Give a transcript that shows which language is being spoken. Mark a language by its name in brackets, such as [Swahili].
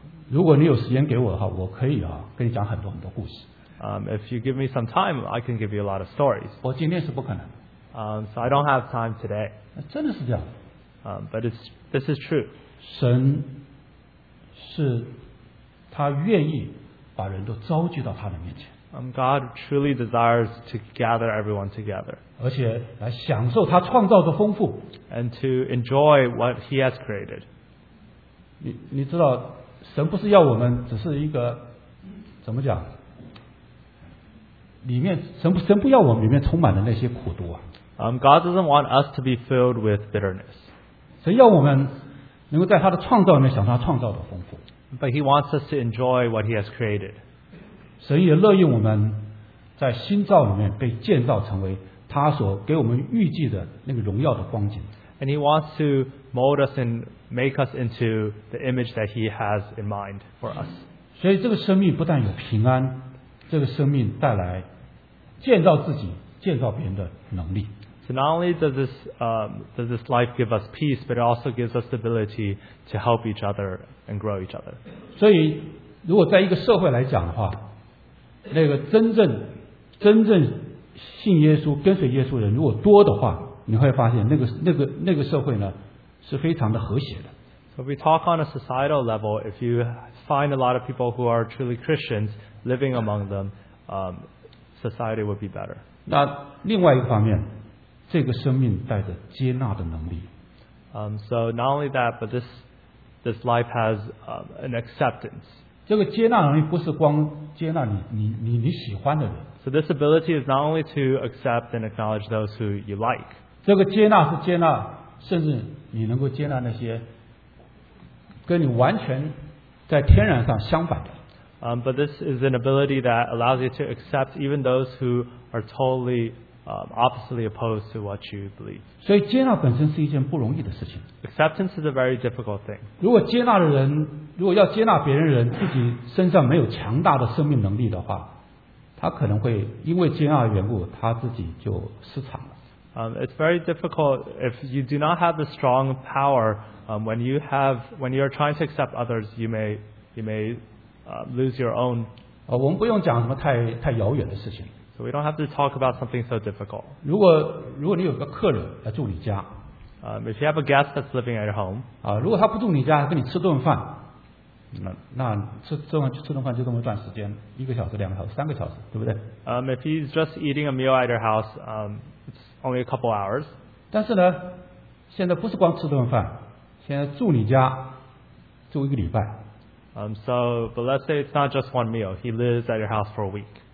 [Chinese] 如果你有时间给我的话，我可以啊跟你讲很多很多故事。 [English] If you give me some time, I can give you a lot of stories. [Chinese] 我今天是不可能。 [English] So I don't have time today. [Chinese] 真的是这样。 [English] But this is true. [Chinese] 神是他愿意把人都召集到他的面前。 [English] God truly desires to gather everyone together. [Chinese] 而且来享受他创造的丰富。 [English] And to enjoy what he has created. [Chinese] 你知道神不是要我们只是一个怎么讲里面神不要我们里面充满了那些苦毒啊。 [English] God doesn't want us to be filled with bitterness. [Chinese] 神要我们能够在他的创造里面享受他创造的丰富。 [English] But he wants us to enjoy what he has created. [Chinese] 神也乐意我们在新造里面被建造成为他所给我们预计的那个荣耀的光景。 [English] And he wants to mold us and make us into the image that he has in mind for us. [Chinese] 所以这个生命不但有平安，这个生命带来建造自己、建造别人的能力。 [English] So not only does this life give us peace, but it also gives us the ability to help each other and grow each other. [Chinese] 所以如果在一个社会来讲的话，那个真正信耶稣、跟随耶稣的人如果多的话，你会发现那个社会呢是非常的和谐的。 [English] So if we talk on a societal level, if you find a lot of people who are truly Christians living among them, society would be better. [Chinese] 那另外一个方面，这个生命带着接纳的能力。 [English] So not only that, but this life has an acceptance. [Chinese] 这个接纳能力不是光接纳你喜欢的人。 [English] So this ability is not only to accept and acknowledge those who you like. [Chinese] 这个接纳是接纳，甚至你能够接纳那些跟你完全在天然上相反的。 [English] But this is an ability that allows you to accept even those who are totally oppositely opposed to what you believe. [Chinese] 所以接纳本身是一件不容易的事情。 [English] Acceptance is a very difficult thing. [Chinese] 如果接纳的人，如果要接纳别人的人，自己身上没有强大的生命能力的话，他可能会因为接纳的缘故，他自己就失常了。 [English] It's very difficult if you do not have the strong power. When you are trying to accept others, you may lose your own. [Chinese] 我们不用讲什么太遥远的事情。 [English] So we don't have to talk about something so difficult. [Chinese] 如果你有个客人来住你家， [English] if you have a guest that's living at your home, [Chinese] 如果他不住你家，跟你吃顿饭，那吃顿饭就这么短时间，一个小时、两个小时、三个小时，对不对？ [English] If he's just eating a meal at your house, it's only a couple hours. [Chinese] 但是呢，现在不是光吃顿饭，现在住你家住一个礼拜。 [English] But let's say it's not just one meal. He lives at your house for a week.